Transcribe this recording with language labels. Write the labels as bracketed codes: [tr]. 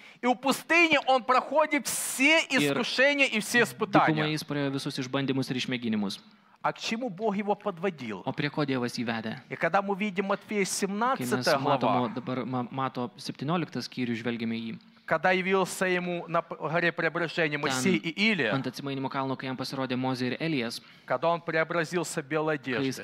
[ru] И у пустыни он проходит все искушения и все испытания. [lt] Dykumoje jis praėjo visus išbandymus ir išmėginimus. [ru] А к чему Бог его подводил? [lt] O prie ko Dievas jį vedė? [ru] И когда мы видим Матфея 17 глава, [lt] matome, dabar, mato 17 skyrių, žvelgime į jį, [ru] когда явился ему на горе преображения Моисей и Илия, [lt] ant atsimainimo kalno, kai jam pasirodė Mozė ir Elijas, [ru] когда он преобразился белой одеждой,